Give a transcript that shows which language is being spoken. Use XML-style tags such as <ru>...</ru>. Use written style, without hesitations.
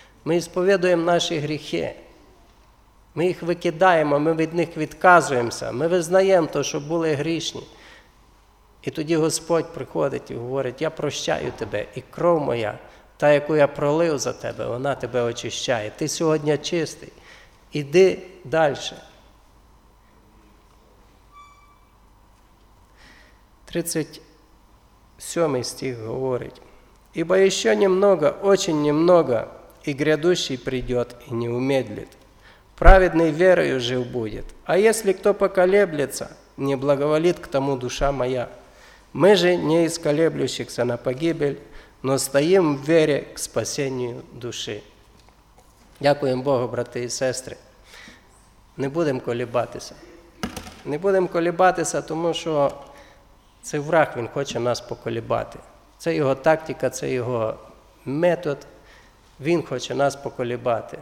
<uk>Ми сповідуємо наші гріхи, ми їх викидаємо, ми від них відказуємося, ми визнаємо те, що були грішні. І тоді Господь приходить і говорить, я прощаю тебе, і кров моя, та, яку я пролив за тебе, вона тебе очищає. Ти сьогодні чистий, іди далі. 37 стих говорить,</uk> <ru>ібо ще немного, очень немного, и грядущий придет и не умедлит. Праведный верою жив будет. А если кто поколеблется, не благоволит к тому душа моя. Мы же не из колеблющихся на погибель, но стоим в вере к спасению души.</ru> <uk>Дякуємо Богу, брати і сестри. Не будемо колебатися. Не будемо колебатися, тому що це враг, він хоче нас поколебати. Це його тактика, це його метод. Він хоче нас поколебати.</uk>